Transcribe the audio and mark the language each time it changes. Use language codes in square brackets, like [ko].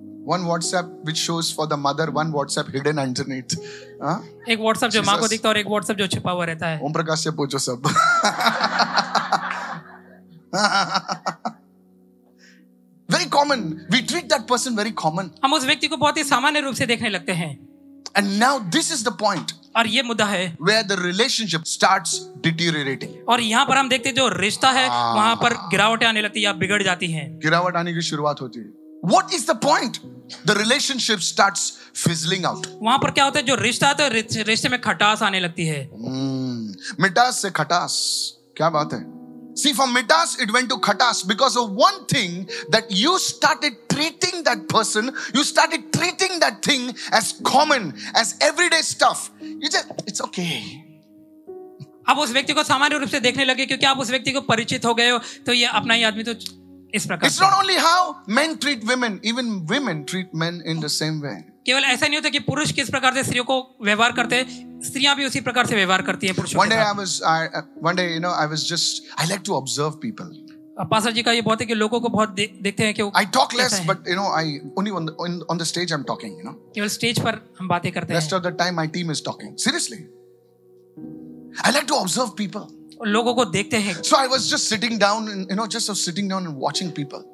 [en] One WhatsApp which shows for the mother, one WhatsApp hidden underneath. [hi] एक WhatsApp जो माँ को दिखता है और एक WhatsApp जो छिपा हुआ रहता है। ओम प्रकाश से पूछो सब। [en] Very common. We treat that person very common. [hi] हम उस व्यक्ति को बहुत ही सामान्य रूप से देखने लगते हैं। [en] And now this is the point. [hi] और ये मुद्दा है। [en] Where the relationship starts deteriorating. [hi] और यहाँ पर हम देखते हैं जो रिश्ता है, वहाँ पर गिरावटें आने लगती हैं या बिगड़ जाती हैं। गिरावट आने की शुरुआत होती है। [en] What is the point? The relationship starts fizzling out. [hi] वहाँ पर क्या होता है जो रिश्ता है रिश्ते में खटास आने लगती है। मिठास से खटास क्या बात है? [en] See from mitas it went to khatas because of one thing that you started treating that person, you started treating that thing as common, as everyday stuff. You just it's okay. [hi] आप उस व्यक्ति को सामान्य रूप से देखने लगे क्योंकि आप उस व्यक्ति को परिचित हो गए हो तो ये अपना ही आदमी तो [en] It's not only how men treat women, even women treat men in the same way. [hi] केवल ऐसा नहीं होता कि पुरुष किस प्रकार से स्त्रियों को व्यवहार करते हैं, स्त्रियां भी उसी प्रकार से व्यवहार करती हैं पुरुषों के साथ। [en] One day you know, I was just, I like to observe people. [hi] Pastor जी का ये बहुत है कि लोगों को बहुत देखते हैं कि [en] I talk less, but you know, I only on the stage I'm talking. You know. [hi] केवल स्टेज पर हम बातें करते हैं। [en] Rest of the time my team is talking. Seriously, I like to observe people. [hi] लोगों को देखते हैं। [en] So I was just sitting down, you know, just sitting down and watching people.